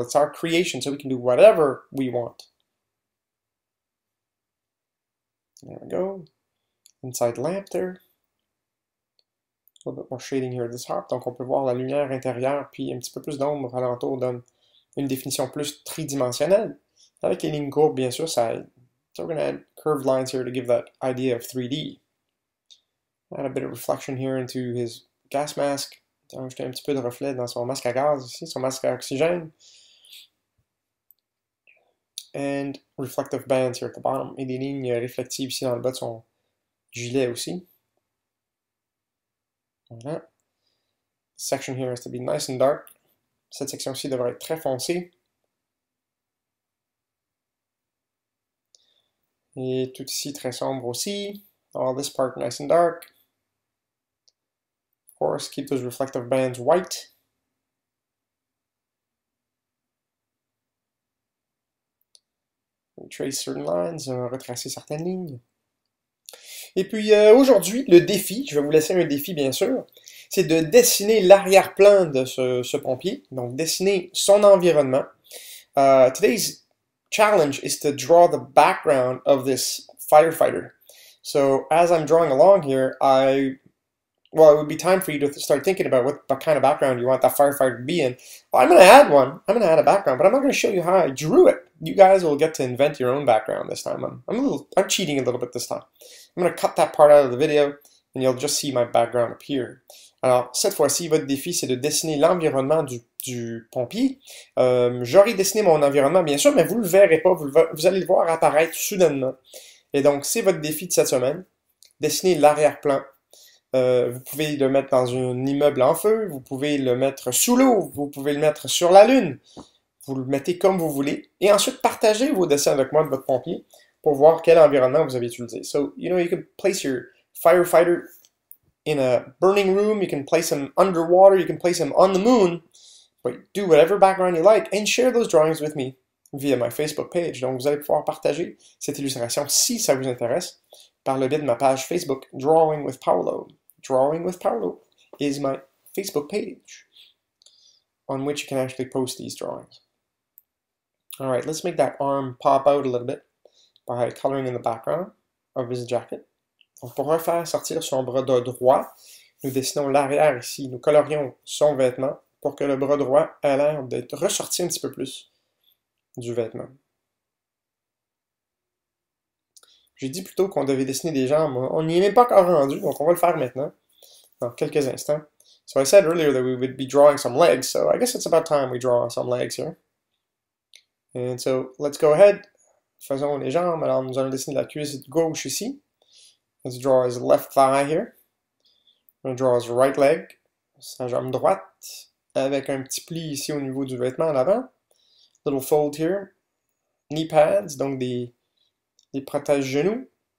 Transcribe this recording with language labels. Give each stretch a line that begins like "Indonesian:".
English: It's our creation, so we can do whatever we want. There we go. Inside lamp there. A little bit more shading here at the top.
French: Donc on peut voir la lumière intérieure puis un petit peu plus d'ombre alentour donne une définition plus tridimensionnelle. Avec les lignes courbes, bien sûr, ça aide.
English: So we're going to add curved lines here to give that idea of 3D. Add a bit of reflection here into his gas mask.
French: Donc j'ai un petit peu de reflet dans son masque à gaz ici, son masque à oxygène.
English: And reflective bands here at the bottom.
French: Et des lignes réflectives ici dans le bas de son gilet aussi. Voilà.
English: Section here has to be nice and dark.
French: Cette section-ci devrait être très foncée. Et tout ici très sombre aussi.
English: All this part nice and dark. Of course, keep those reflective bands white. Trace certain lines,
French: retracer certaines lignes. Et puis aujourd'hui, le défi, je vais vous laisser un défi bien sûr, c'est de dessiner l'arrière-plan de ce pompier, donc dessiner son environnement.
English: Today's challenge is to draw the background of this firefighter. So as I'm drawing along here, it would be time for you to start thinking about what kind of background you want that firefighter to be in. Well, I'm going to add one. I'm going to add a background, but I'm not going to show you how I drew it. You guys will get to invent your own background this time. I'm cheating a little bit this time. I'm going to cut that part out of the video, and you'll just see my background appear.
French: Alors, cette fois-ci, votre défi, c'est de dessiner l'environnement du pompier. J'aurai dessiné mon environnement, bien sûr, mais vous ne le verrez pas. Vous allez le voir apparaître soudainement. Et donc, c'est votre défi de cette semaine. Dessiner l'arrière-plan. Vous pouvez le mettre dans un immeuble en feu, vous pouvez le mettre sous l'eau, vous pouvez le mettre sur la lune. Vous le mettez comme vous voulez. Et ensuite, partagez vos dessins avec moi de votre pompier pour voir quel environnement vous avez utilisé.
English: So, you know, you can place your firefighter in a burning room, you can place him underwater, you can place him on the moon. But do whatever background you like and share those drawings with me via my Facebook page.
French: Donc, vous allez pouvoir partager cette illustration si ça vous intéresse. Par le biais de ma page Facebook, Drawing with Paolo.
English: Drawing with Paolo is my Facebook page on which you can actually post these drawings. All right, let's make that arm pop out a little bit by coloring in the background of his jacket.
French: Donc pour refaire sortir son bras de droit, nous dessinons l'arrière ici. Nous colorions son vêtement pour que le bras droit ait l'air d'être ressorti un petit peu plus du vêtement. J'ai dit plutôt qu'on devait dessiner des jambes. On n'y est même pas encore rendu, donc on va le faire maintenant. Dans quelques instants.
English: So I said earlier that we would be drawing some legs, so I guess it's about time we draw some legs here. And so, let's go ahead.
French: Faisons les jambes. Alors, nous allons dessiner la cuisse gauche ici.
English: Let's draw his left thigh here. We're going to draw his right leg.
French: Sa jambe droite. Avec un petit pli ici au niveau du vêtement en avant.
English: Little fold here. Knee pads,
French: donc des... Il protège genoux.